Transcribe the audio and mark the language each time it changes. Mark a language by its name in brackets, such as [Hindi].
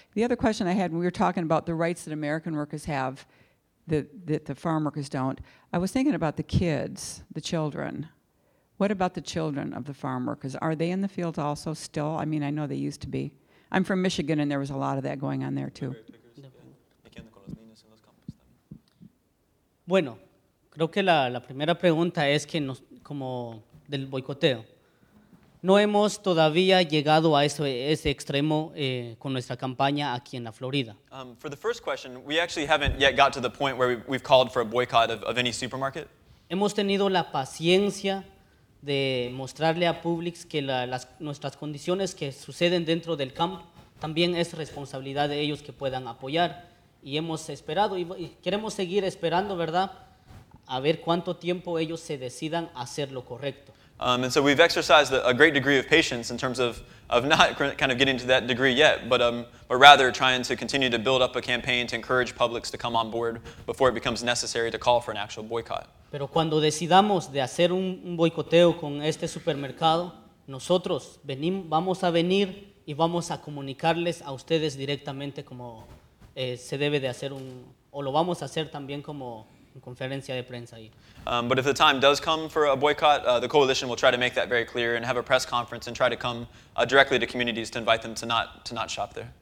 [English] The other question I had, when we were talking about the rights that American workers have that the farm workers don't, I was thinking about the kids, the children. What about the children of the farm workers? Are they in the fields also still? I mean, I know they used to be. I'm from Michigan, and there was a lot of that going on there too. [Spanish] Bueno, creo que la primera pregunta es que nos, como del boicoteo. No hemos todavía llegado a ese extremo con nuestra campaña aquí en la Florida. [English] For the first question, we actually haven't yet got to the point where we've called for a boycott of any supermarket. [Spanish] Hemos tenido la paciencia de mostrarle a Publix que nuestras condiciones que suceden dentro del campo también es responsabilidad de ellos que puedan apoyar. Y hemos esperado y queremos seguir esperando, ¿verdad? A ver cuánto tiempo ellos se decidan a hacer lo correcto. [English] And so we've exercised a great degree of patience in terms of not kind of getting to that degree yet, but rather trying to continue to build up a campaign to encourage Publix to come on board before it becomes necessary to call for an actual boycott. [Spanish] Pero cuando decidamos de hacer un boicoteo con este supermercado, nosotros vamos a venir y vamos a comunicarles a ustedes directamente como se debe de hacer o lo vamos a hacer también como conferencia de prensa ahí. [English] But if the time does come for a boycott, the coalition will try to make that very clear and have a press conference and try to come directly to communities to invite them to not shop there.